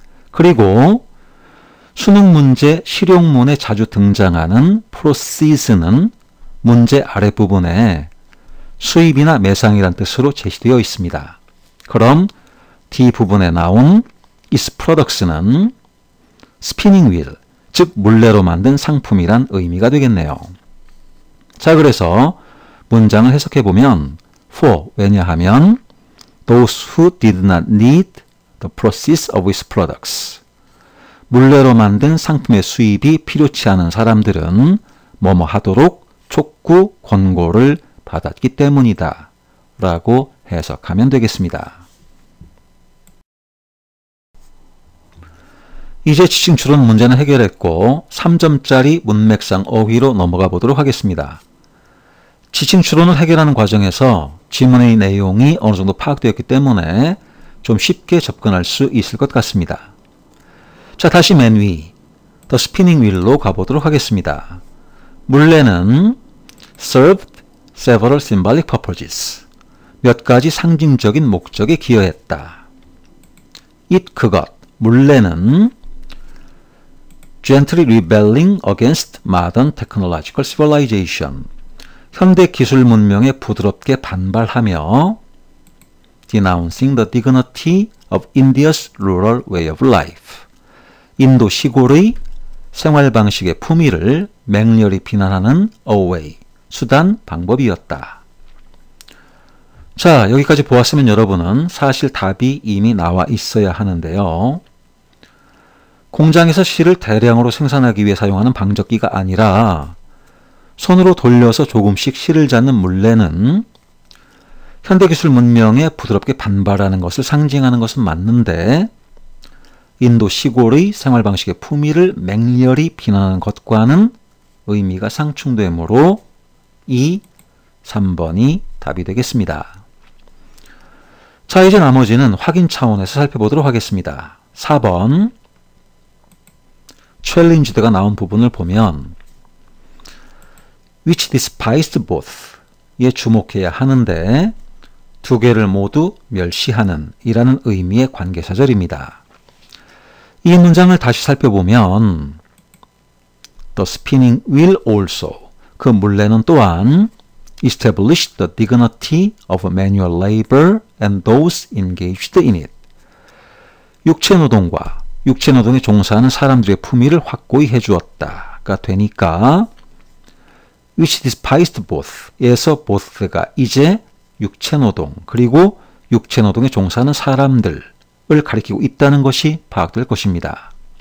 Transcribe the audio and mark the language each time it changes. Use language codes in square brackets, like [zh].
[ko] 그리고 수능문제 실용문에 자주 등장하는 proceeds는 문제 아랫부분에 수입이나 매상이란 뜻으로 제시되어 있습니다. 그럼 D 부분에 나온 [en] its products [ko] 는 spinning wheel, 즉 물레로 만든 상품이란 의미가 되겠네요. 자, 그래서 문장을 해석해 보면 for, 왜냐하면 [en] those who did not need the proceeds of his products. [ko] 물레로 만든 상품의 수입이 필요치 않은 사람들은 뭐뭐 하도록 촉구 권고를 받았기 때문이다 라고 해석하면 되겠습니다. 이제 지칭출원 문제는 해결했고 3점짜리 문맥상 어휘로 넘어가 보도록 하겠습니다. 지칭출원을 해결하는 과정에서 지문의 내용이 어느 정도 파악되었기 때문에 좀 쉽게 접근할 수 있을 것 같습니다. 자, 다시 맨 위, The Spinning Wheel로 가보도록 하겠습니다. 물레는 [en] served several symbolic purposes. [ko] 몇 가지 상징적인 목적에 기여했다. [en] It, [ko] 그것, 물레는 [en] gently rebelling against modern technological civilization. [ko] 현대 기술 문명에 부드럽게 반발하며 [en] denouncing the dignity of India's rural way of life. [ko] 인도 시골의 생활 방식의 품위를 맹렬히 비난하는 [en] a way, [ko] 수단, 방법이었다. 자, 여기까지 보았으면 여러분은 사실 답이 이미 나와 있어야 하는데요. 공장에서 실을 대량으로 생산하기 위해 사용하는 방적기가 아니라 손으로 돌려서 조금씩 실을 잡는 물레는 현대기술 문명에 부드럽게 반발하는 것을 상징하는 것은 맞는데 인도 시골의 생활 방식의 품위를 맹렬히 비난하는 것과는 의미가 상충되므로 2, 3번이 답이 되겠습니다. 자, 이제 나머지는 확인 차원에서 살펴보도록 하겠습니다. 4번 Challenged가 나온 부분을 보면 [en] Which despised both [ko] 에 주목해야 하는데 두 개를 모두 멸시하는 이라는 의미의 관계사절입니다. [en] 이 문장을 다시 살펴보면 The spinning wheel also [ko] 그 물레는 또한 [en] Established the dignity of manual labor and those engaged in it. [ko] 육체노동과 육체노동에 종사하는 사람들의 품위를 확고히 해주었다가 되니까 [en] Which despised both [ko] 에서 both가 이제 육체노동 그리고 육체노동에 종사하는 사람들을 가리키고 있다는 것이 파악될 것입니다.